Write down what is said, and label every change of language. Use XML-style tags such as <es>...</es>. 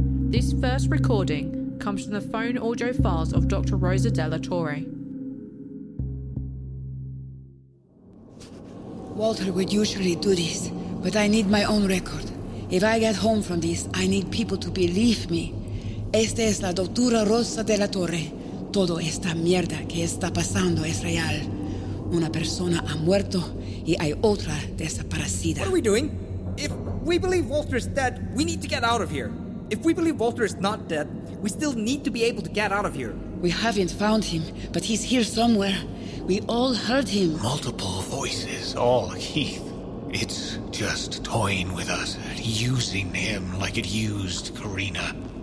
<en>This first recording comes from the phone audio files of Dr. Rosa Della Torre. Walter would usually do this, but I need my own record. If I get home from this, I need people to believe me.</en> <es>Esta es la doctora Rosa Della Torre. Todo esta mierda que está pasando es real. Una persona ha muerto y hay otra desaparecida.</es> <en>What are we doing? If we believe Walter is dead, we need to get out of here. If we believe Walter is not dead, we still need to be able to get out of here. We haven't found him, but he's here somewhere. We all heard him. Multiple voices, all Heath. It's just toying with us, using him like it used Karina.</en>